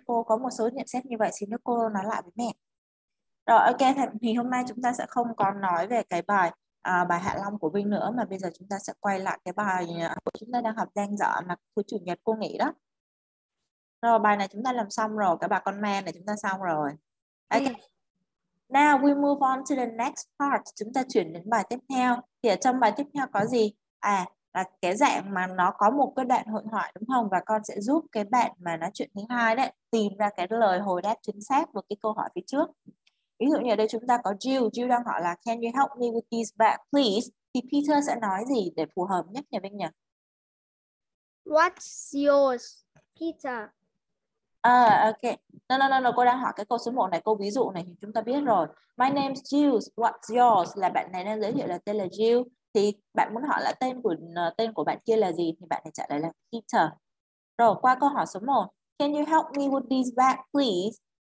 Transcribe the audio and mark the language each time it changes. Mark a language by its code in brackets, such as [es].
[vi] Cô có một số nhận xét như vậy xin cô nói lại với mẹ. Rồi ok, thì hôm nay chúng ta sẽ không còn nói về cái bài bài Hạ Long của Vinh nữa, mà bây giờ chúng ta sẽ quay lại cái bài của chúng ta đang học đang dở mà thứ chủ nhật cô nghỉ đó. Rồi bài này chúng ta làm xong rồi, cái bài con man này chúng ta xong rồi. Ok. [en] Now we move on to the next part. [vi] Chúng ta chuyển đến bài tiếp theo. Thì ở trong bài tiếp theo có gì? À, là cái dạng mà nó có một cái đoạn hội thoại đúng không, và con sẽ giúp cái bạn mà nói chuyện thứ hai đấy tìm ra cái lời hồi đáp chính xác của cái câu hỏi phía trước. Ví dụ như ở đây chúng ta có Jill. Jill đang hỏi là [en] can you help me with this bag please, [vi] thì Peter sẽ nói gì để phù hợp nhất nhỉ Vinh nhỉ? [en] What's yours Peter? [vi] Okay, no, cô đang hỏi cái câu số 1 này, câu ví dụ này thì chúng ta biết rồi. [en] My name's Jill, what's yours [vi] là bạn này đang giới thiệu là tên là Jill. Thì bạn muốn hỏi là tên của bạn kia là gì thì bạn phải trả lời là Peter. Rồi qua câu hỏi số 1. [en] Can you help me with this bag please?